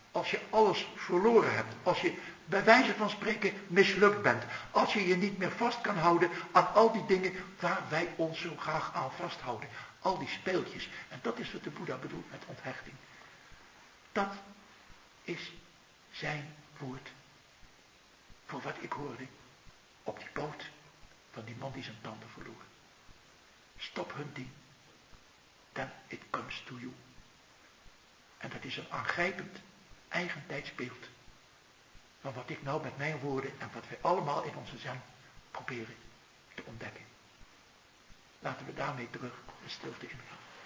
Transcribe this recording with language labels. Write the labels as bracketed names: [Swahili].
[Dutch] Als je alles verloren hebt, als je bij wijze van spreken mislukt bent, als je je niet meer vast kan houden aan al die dingen waar wij ons zo graag aan vasthouden. Al die speeltjes. En dat is wat de Boeddha bedoelt met onthechting. Dat is zijn woord voor wat ik hoorde op die boot van die man die zijn tanden verloor. [English] Stop hunting, then it comes to you. [Dutch] En dat is een aangrijpend eigen tijdsbeeld van wat ik nou met mijn woorden en wat wij allemaal in onze zen proberen te ontdekken. Laten we daarmee terug in stilte ingaan.